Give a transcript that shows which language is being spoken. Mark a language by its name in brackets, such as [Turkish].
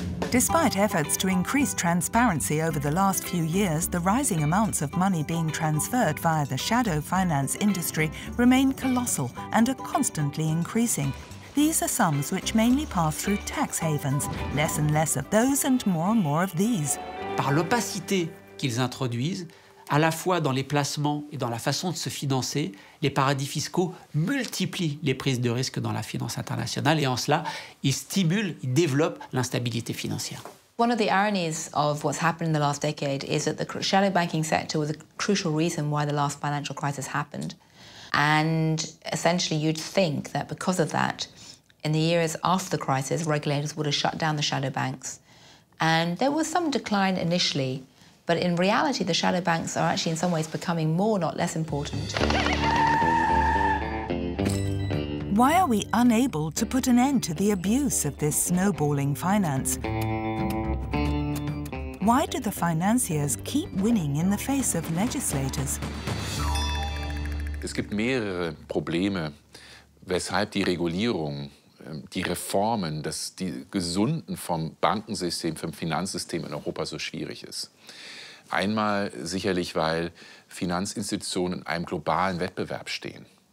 [English] Despite efforts to increase transparency over the last few years, the rising amounts of money being transferred via the shadow finance industry remain colossal and are constantly increasing. These are sums which mainly pass through tax havens, less and less of those and more of these. [French] Par l'opacité qu'ils introduisent, à la fois dans les placements et dans la façon de se financer, les paradis fiscaux multiplient les prises de risques dans la finance internationale et en cela, ils stimulent, ils développent l'instabilité financière. [English] One of the ironies of what's happened in the last decade is that the shadow banking sector was a crucial reason why the last financial crisis happened. And essentially, you'd think that because of that, in the years after the crisis, regulators would have shut down the shadow banks. And there was some decline initially, but in reality, the shadow banks are actually in some ways becoming more, not less important. Why are we unable to put an end to the abuse of this snowballing finance? Why do the financiers keep winning in the face of legislators? [German] Es gibt mehrere Probleme, weshalb die Regulierung, die Reformen, das die Gesunden vom Bankensystem, vom Finanzsystem in Europa so schwierig ist. Einmal sicherlich, weil Finanzinstitutionen in einem globalen Wettbewerb stehen.